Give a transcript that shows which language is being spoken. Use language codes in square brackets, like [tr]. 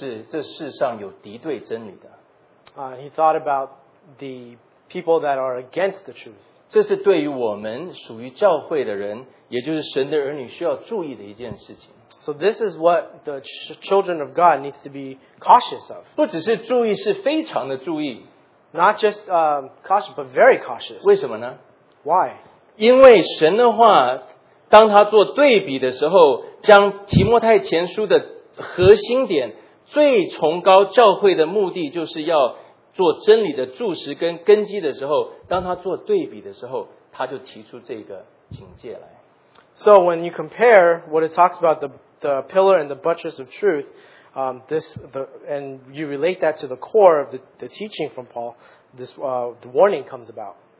[zh] 他马上就想到就是这世上有敌对真理的。 [en] He thought about the people that are against the truth. [zh] 这是对于我们属于教会的人, 也就是神的儿女需要注意的一件事情。 [en] So this is what the children of God needs to be cautious of. [zh] 不只是注意, 是非常的注意。 [en] Not just cautious, but very cautious. [zh] 为什么呢? [en] Why? [zh] 因为神的话, 当他做对比的时候, 将提摩太前书的核心点, 最崇高教会的目的, 就是要做真理的柱石跟根基的时候, 当他做对比的时候, 他就提出这个警戒来。 [en] So when you compare what it talks about the pillar and the buttress of truth, and you relate that to the core of the teaching from Paul, the warning comes about.